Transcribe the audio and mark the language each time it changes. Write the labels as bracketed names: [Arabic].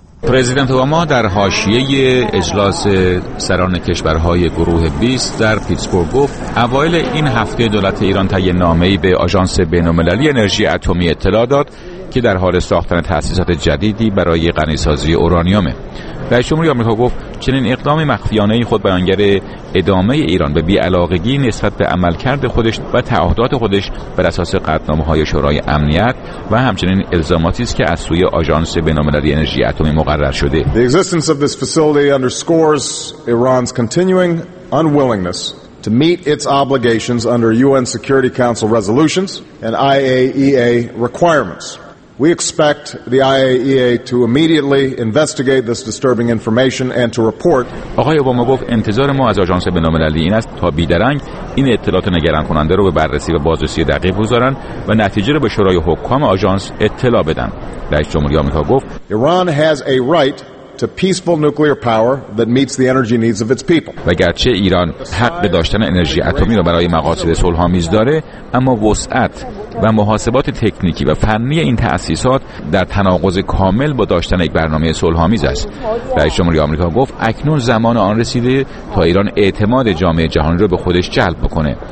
[Persian] پرزیدنت اوباما در حاشیه اجلاس سران کشورهای گروه 20 در پیتسبورگ گفت اوایل این هفته دولت ایران طی نامه‌ای به آژانس بین‌المللی انرژی اتمی اطلاع داد که در حال ساختن تأسیسات جدیدی برای غنی‌سازی اورانیوم. رئیس جمهوری آمریکا گفت چنین اقدام مخفیانه خود بیانگر ادامه ایران به بی‌علاقگی نسبت به عملکرد خودش و تعهدات خودش بر اساس قطعنامه‌های شورای امنیت و همچنین الزاماتی است که از سوی آژانس بین‌المللی انرژی اتمی مقرر شده. [English] The existence of this facility underscores Iran's continuing unwillingness to meet its obligations under UN Security Council resolutions and IAEA requirements. We expect the IAEA to immediately investigate this disturbing information and to report. [Persian] آقای اوباما گفت انتظار ما از آژانس بین‌المللی این است تا بیدرنگ این اطلاعات نگران کننده رو به بررسی و بازرسی دقیق بگذارند و نتیجه رو به شورای حکام آژانس اطلاع بدن. رئیس جمهوری آمریکا گفت [English] Iran has a right to peaceful nuclear power that meets the energy needs of its people. [Persian] وگرچه ایران حق به داشتن انرژی اتمی را برای مقاصد صلح‌آمیز داره، اما وسعت و محاسبات تکنیکی و فنی این تأسیسات در تناقض کامل با داشتن یک برنامه صلح‌آمیز است. رئیس جمهوری آمریکا گفت اکنون زمان آن رسیده تا ایران اعتماد جامعه جهانی را به خودش جلب بکنه.